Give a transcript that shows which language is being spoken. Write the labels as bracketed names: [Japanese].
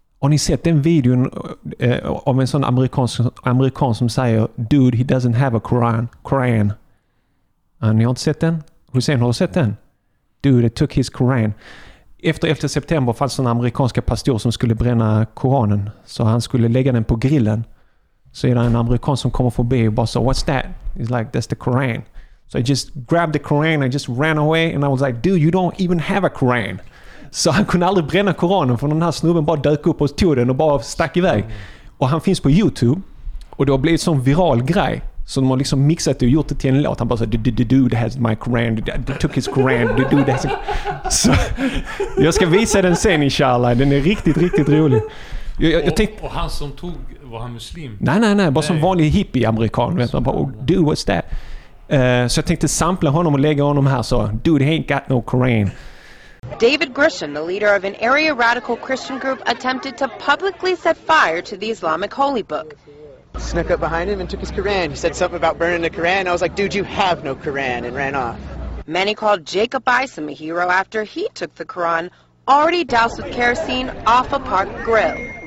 [Swedish] Har ni sett den videon av en sån amerikan som säger [English] dude, he doesn't have a Quran. [Swedish] Ni har inte sett den? Hussein, har du sett den? [English] Dude, it took his Quran. [Swedish] Efter september fanns en amerikanska pastor som skulle bränna Koranen. Så han skulle lägga den på grillen. Så är det en amerikan som kommer förbi och bara sa, [English] what's that? He's like, that's the Quran. So I just grabbed the Quran, I just ran away and I was like, dude, you don't even have a Quran. [Swedish] Så han kunde aldrig bränna Koranen för den här snubben bara dök upp och tog den och bara stack iväg. Och han finns på YouTube och det har blivit en sån viral grej som de har liksom mixat och gjort det till en låt. Han bara sa, [English] the dude has my Koran, the took his Koran, the dude has... [Swedish] Så jag ska visa den sen inshallah, den är riktigt, riktigt rolig. Och han som tog, var han muslim? Nej, bara som vanlig hippie-amerikan. Han bara, [English] oh, dude, what's that? [Swedish] Så jag tänkte sampla honom och lägga honom här så, [English] dude, he ain't got no Koran. David Grisham, the leader of an area radical Christian group, attempted to publicly set fire to the Islamic holy book. Snuck up behind him and took his Quran. He said something about burning the Quran. I was like, dude, you have no Quran, and ran off. Many called Jacob Isom a hero after he took the Quran, already doused with kerosene, off a park grill.